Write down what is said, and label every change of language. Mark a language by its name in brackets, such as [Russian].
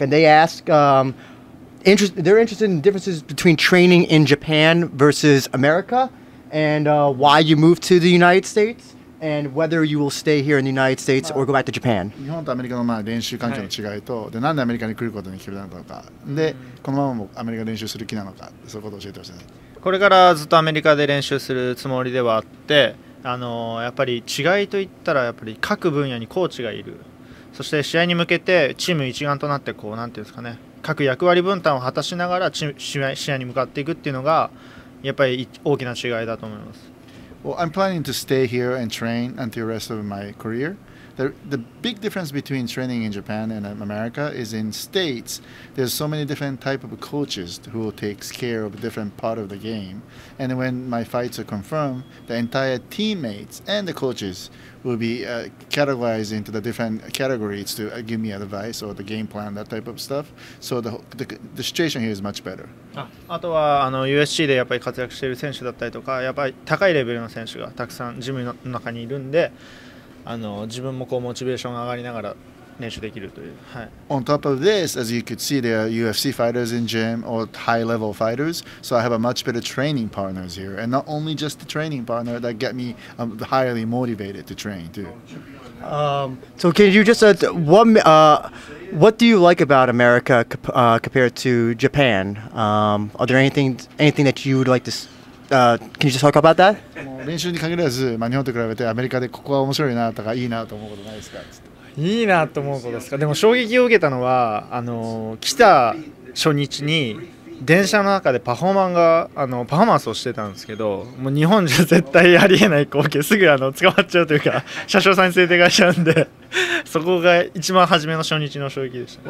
[English] And they ask, they're interested in differences between training in Japan versus America. And why you moved to the United States, and whether you will stay here in the United States or go back to Japan. [Japanese] 日本とアメリカのまあ練習環境の違いと、で、なんでアメリカに来ることに決めたのか、で、このままもアメリカ練習する気なのか、そういうことを教えてほしいです。これからずっとアメリカで練習するつもりではあって、やっぱり違いといったら、やっぱり各分野にコーチがいる。そして試合に向けてチーム一丸となって、こう、なんていうんですかね、各役割分担を果たしながら試合に向かっていくっていうのが、やっぱり大きな違いだと思います。 [English] Well, I'm planning to stay here and train until the rest of my career. The big difference between training in Japan and America is in states, there's so many different type of coaches who will take care of different part of the game. And when my fights are confirmed, the entire teammates and the coaches will be categorized into the different categories to give me advice or the game plan, that type of stuff. So the situation here is much better. [Japanese] あとはUSC でやっぱり活躍している選手だったりとか、やっぱり高いレベルの選手がたくさんジムの中にいるんで、自分もこうモチベーションが上がりながら練習できるという、はい、 [English] On top of this, as you could see, there are UFC fighters in gym or high level fighters. So I have a much better training partners here. And not only just the training partner that get me highly motivated to train too. So can you just what do you like about America compared to Japan? Are there anything that you would like to see? Can you just talk about that? [Japanese] 練習に限らず、まあ、日本と比べてアメリカでここは面白いなとかいいなと思うことないですかっていいなと思うことですか。でも衝撃を受けたのは来た初日に電車の中でパフォーマンスをしてたんですけど、もう日本じゃ絶対ありえない光景、すぐ捕まっちゃうというか車掌さんに連れて帰っちゃうんで、そこが一番初めの初日の衝撃でした。